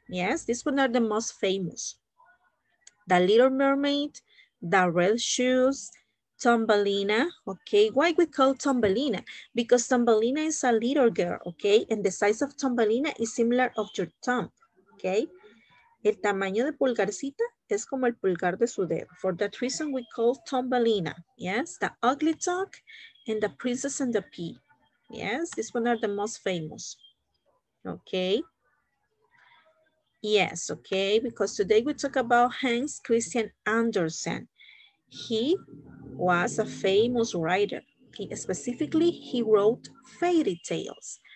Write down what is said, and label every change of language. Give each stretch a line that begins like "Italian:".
English: Yes, this one are the most famous. The Little Mermaid, The Red Shoes, Thumbelina. Okay, why we call Thumbelina? Because Thumbelina is a little girl, okay? And the size of Thumbelina is similar of your thumb, okay?
Spanish: El tamaño de pulgarcita es como el pulgar de su dedo.
English: For that reason, we call Thumbelina. Yes, The Ugly Dog and The Princess and the Pea. Yes, this one are the most famous. Okay. Yes, okay, because today we talk about Hans Christian Andersen. He was a famous writer. Okay, specifically, he wrote fairy tales.